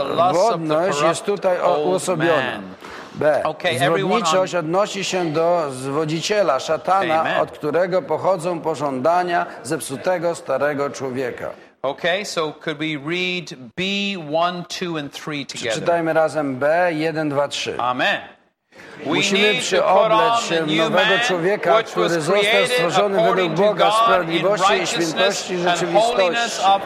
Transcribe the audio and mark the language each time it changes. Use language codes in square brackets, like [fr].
[pl] Zwodność jest tutaj uosobiona. B. Zwodniczość odnosi się do zwodziciela, szatana, od którego pochodzą pożądania zepsutego starego człowieka. [en] Okay, so could we read B, 1, 2 and 3 together? [pl] Przeczytajmy razem B, 1, 2, 3. Amen. Musimy przyobleć się w nowego człowieka, który został stworzony według Boga w sprawiedliwości i świętości rzeczywistości.